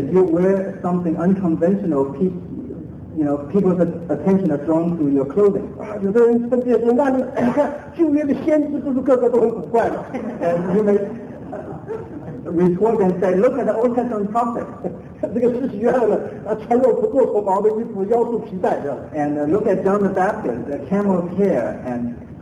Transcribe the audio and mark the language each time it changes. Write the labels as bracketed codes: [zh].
[en] if you wear something unconventional, people's attention are drawn to your clothing. [zh] 有的人分辨说，那你看旧约的先知不是个个都很古怪吗？ [en] And you may retort and say, look at the Old Testament prophet. [zh] 这个施洗约翰呢，穿肉不过头毛的衣服，腰束皮带这样。 [en] And look at John the Baptist, the camel's hair and